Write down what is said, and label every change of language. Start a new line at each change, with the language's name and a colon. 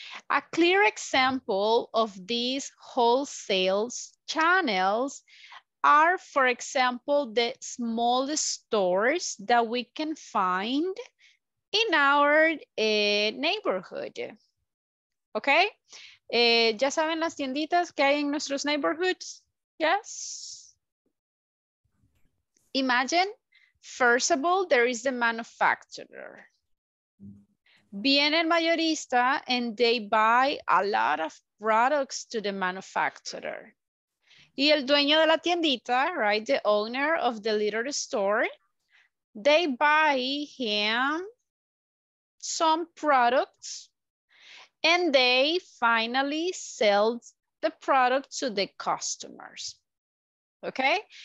English: A clear example of these wholesale channels are, for example, the smallest stores that we can find in our neighborhood. Okay?
Spanish: ¿Ya saben las tienditas que hay en nuestros neighborhoods?
English: Yes? Imagine, first of all, there is the manufacturer.
Spanish: Viene el mayorista
English: and they buy a lot of products to the manufacturer.
Spanish: Y el dueño de la tiendita,
English: right, the owner of the little store, they buy him some products and they finally sell the product to the customers. Okay?